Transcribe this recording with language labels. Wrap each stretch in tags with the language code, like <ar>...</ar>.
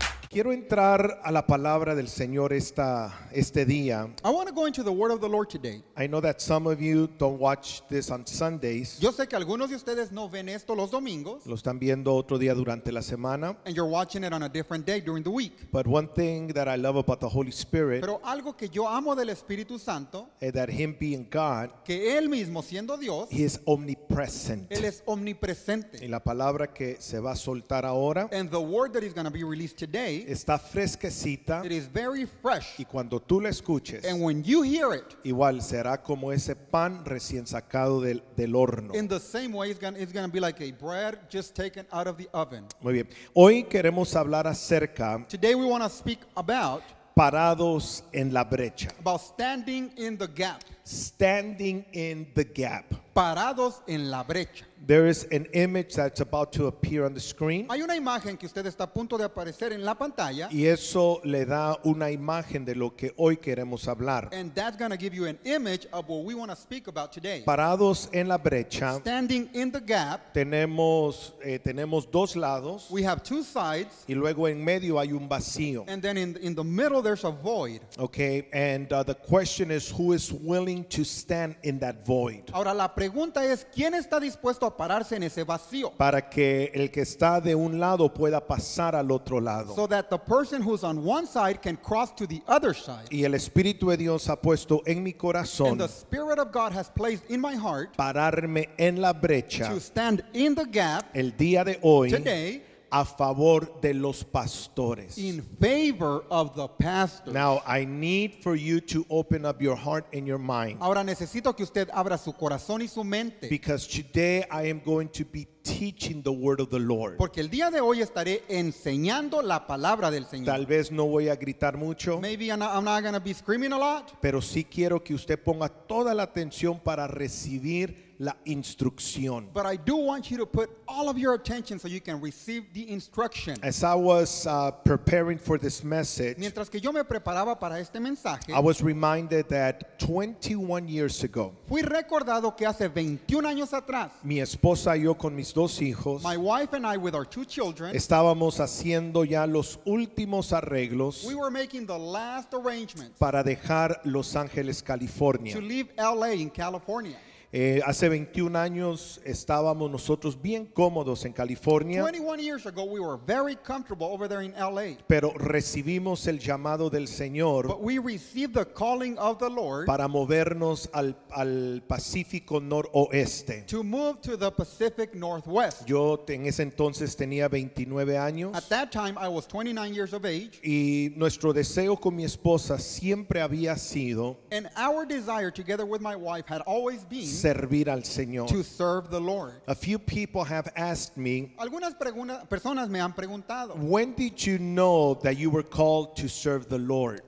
<es>Quiero entrar a la palabra del Señor este día.</es> <en>I want to go into the word of the Lord today. I know that some of you don't watch this on Sundays.</en> <es>Yo sé que algunos de ustedes no ven esto los domingos. Lo están viendo otro día durante la semana.</es> <en>And you're watching it on a different day during the week. But one thing that I love about the Holy Spirit.</en> <es>Pero algo que yo amo del Espíritu Santo.</es> <en>That him being God.</en> <es>Que él mismo siendo Dios.</es> <en>He is omnipresent.</en> <es>Él es omnipresente. Y la palabra que se va a soltar ahora.</es> <en>And the word that is going to be released today.</en> <es>Está fresquecita.</es> <en>It is very fresh.</en> <es>Y cuando tú la escuches,</es> <en>and when you hear it,</en> <es>igual será como ese pan recién sacado del horno.</es> <en>In the same way, it's going to be like a bread just taken out of the oven.</en> <es>Muy bien. Hoy queremos hablar acerca.</es> <en>Today we want to speak about.</en> <es>Parados en la brecha.</es> <en>About standing in the gap. Standing in the gap.</en> <es>Parados en la brecha.</es> <en>There is an image that's about to appear on the screen.</en> <es>Hay una imagen que usted está a punto de aparecer en la pantalla. Y eso le da una imagen de lo que hoy queremos hablar.</es> <en>And that's going to give you an image of what we want to speak about today.</en> <es>Parados en la brecha.</es> <en>Standing in the gap.</en> <es>Tenemos dos lados.</es> <en>We have two sides.</en> <es>Y luego en medio hay un vacío.</es> <en>And then in the middle there's a void. Okay, and the question is who is willing to stand in that void.</en> <es>Ahora la pregunta es quién está dispuesto a pararse en ese vacío para que el que está de un lado pueda pasar al otro lado.</es> <en>So that the person who's on one side can cross to the other side.</en> <es>Y el Espíritu de Dios ha puesto en mi corazón.</es> <en>And the Spirit of God has placed in my heart.</en> <es>Pararme en la brecha.</es> <en>To stand in the gap.</en> <es>El día de hoy.</es> <en>Today.</en> <es>A favor de los pastores.</es> <en>In favor of the pastors. Now I need for you to open up your heart and your mind.</en> <es>Ahora necesito que usted abra su corazón y su mente.</es> <en>Because today I am going to be teaching the word of the Lord.</en> <es>Porque el día de hoy estaré enseñando la palabra del Señor. Tal vez no voy a gritar mucho.</es> <en>Maybe I'm not going to be screaming a lot.</en> <es>Pero sí quiero que usted ponga toda la atención para recibir la instrucción.</es> <en>But I do want you to put all of your attention so you can receive the instruction. As I was preparing for this message,</en> <es>mientras que yo me preparaba para este mensaje,</es> <en>I was reminded that 21 years ago,</en> <es>fui recordado que hace 21 años atrás, mi esposa y yo con mis dos hijos,</es> <en>my wife and I with our two children,</en> <es>estábamos haciendo ya los últimos arreglos,</es> <en>we were making the last arrangements,</en> <es>para dejar Los Ángeles, California,</es> <en>to leave LA in California.</en> <es>Hace 21 años estábamos nosotros bien cómodos en California.</es> <en>21 years ago, we were very comfortable over there in LA.</en> <es>Pero recibimos el llamado del Señor.</es> <en>But we received the calling of the Lord.</en> <es>Para movernos al Pacífico Noroeste.</es> <en>To move to the Pacific Northwest.</en> <es>Yo en ese entonces tenía 29 años.</es> <en>At that time, I was 29 years of age.</en> <es>Y nuestro deseo con mi esposa siempre había sido.</es> <en>And our desire together with my wife had always been.</en> <es>Servir al Señor.</es> <en>To serve the Lord. A few people have asked me,</en> <es>algunas personas me han preguntado,</es> <en>when did you know that you were called to serve the Lord?</en>